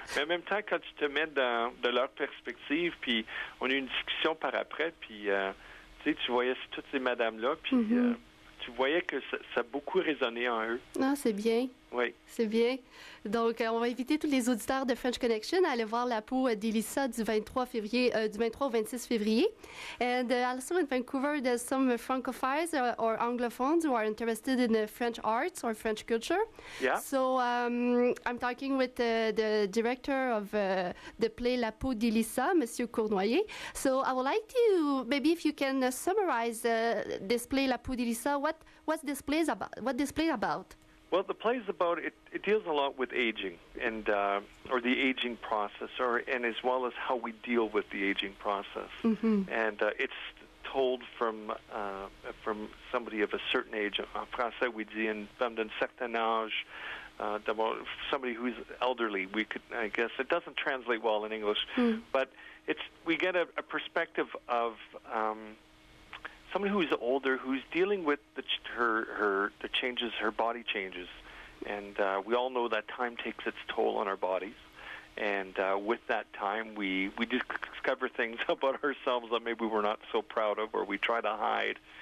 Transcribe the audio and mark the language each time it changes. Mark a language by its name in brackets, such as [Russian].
[French] Mais en même temps, quand tu te mets de leur perspective, puis on a eu une discussion par après, puis tu sais, tu voyais toutes ces madames-là, puis... Mm-hmm. Tu voyais que ça a beaucoup résonné en eux. Ah, c'est bien. Oui. C'est bien. Donc, on va inviter tous les auditeurs de French Connection à aller voir la peau d'Elissa du 23 au 26 février. [English] And also in Vancouver, there's some Francophiles or Anglophones who are interested in French arts or French culture. Yeah. So, I'm talking with the director of the play La peau d'Elissa, Monsieur Cournoyer. So, I would like to, maybe if you can summarize this play La peau d'Elissa, what's this play about? Well, the play is about, it deals a lot with aging, and or the aging process, and as well as how we deal with the aging process. Mm-hmm. And it's told from somebody of a certain age. [French] En français, [English] we [French] dit une femme d'un certain âge, [English] somebody who's elderly. We could, I guess, it doesn't translate well in English, but we get a perspective of... someone who is older, who's dealing with the changes, her body changes. And we all know that time takes its toll on our bodies. And with that time, we discover things about ourselves that maybe we're not so proud of or we try to hide.